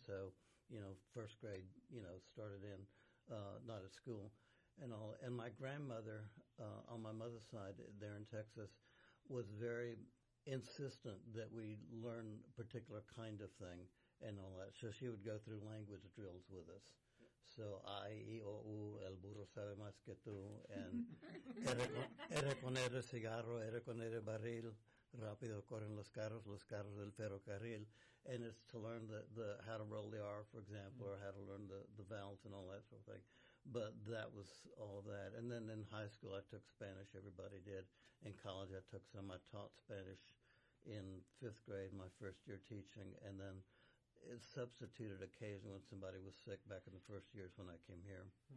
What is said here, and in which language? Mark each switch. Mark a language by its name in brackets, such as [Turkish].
[English] So first grade, started in, not at school and all. And my grandmother, on my mother's side there in Texas, was very insistent that we learn a particular kind of thing and all that. So she would go through language drills with us. [Spanish] So, I, E, O, U, el burro sabe más que tú, and era con el cigarro, era con el barril. Rápido corren los carros del ferrocarril, [English] and it's to learn the how to roll the R, for example, or how to learn the vowels and all that sort of thing. But that was all of that. And then in high school, I took Spanish. Everybody did. In college, I took some. I taught Spanish in fifth grade, my first year teaching, and then it substituted occasionally when somebody was sick back in the first years when I came here.